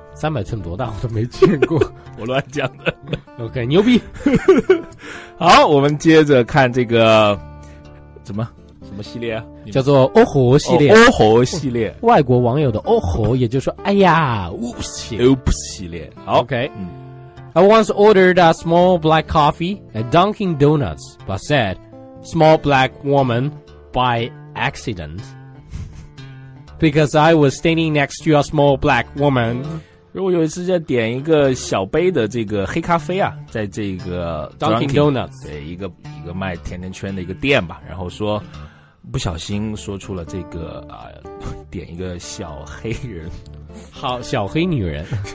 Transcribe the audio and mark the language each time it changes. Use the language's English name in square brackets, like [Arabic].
[Chinese] 300寸多大我都没见过。我乱讲的。 OK， 牛逼。好，我们接着看这个什么系列啊，叫做哦吼系列。哦吼系列，外国网友的哦吼，也就是说哎呀 Oops 系列。好， OK， [English] I once ordered a small black coffee at Dunkin' Donuts, but said, small black woman by accident. Because I was standing next to a small black woman. [Chinese] 如果有一次再点一个小杯的这个黑咖啡啊，在这个 [English] Dunkin' Donuts [Chinese] 对一个卖甜甜圈的一个店吧，然后说不小心说出了这个啊、点一个小黑人，好小黑女人，